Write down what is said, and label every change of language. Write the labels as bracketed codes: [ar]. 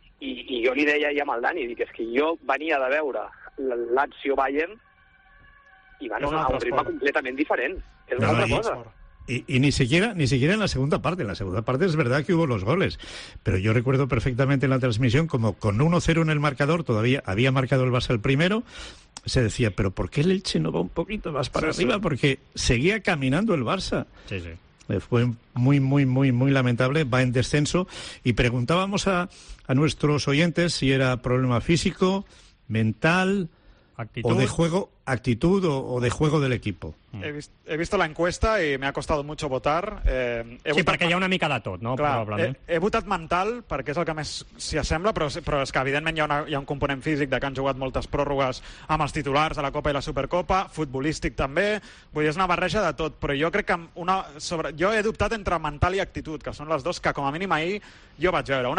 [ca] I jo li deia ja amb el Dani, dic, és que jo venia de veure Lazio-Bayern i van a un ritme completament diferent. És una altra cosa. [es] Y ni siquiera en la segunda parte. En la segunda parte es verdad que hubo los goles, pero yo recuerdo perfectamente en la transmisión como con 1-0 en el marcador, todavía había marcado el Barça el primero, se decía, pero ¿por qué el Elche no va un poquito más para arriba? Sí. Porque seguía caminando el Barça. Sí. Fue muy, muy, muy, muy lamentable, va en descenso. Y preguntábamos a nuestros oyentes si era problema físico, mental... Actitud. O de juego, actitud o de juego del equipo. He visto la encuesta y me ha costado mucho votar. [ca] Perquè hi ha una mica de tot, no? Clar, he votat mental, perquè és el que més s'hi assembla, però és que evidentment hi ha un component físic de que han jugat moltes pròrrogues amb els titulars de la Copa i la Supercopa, futbolístic també, vull dir, és una barreja de tot, però jo crec que jo he dubtat entre mental i actitud, que són les dues que com a mínim ahir jo vaig veure.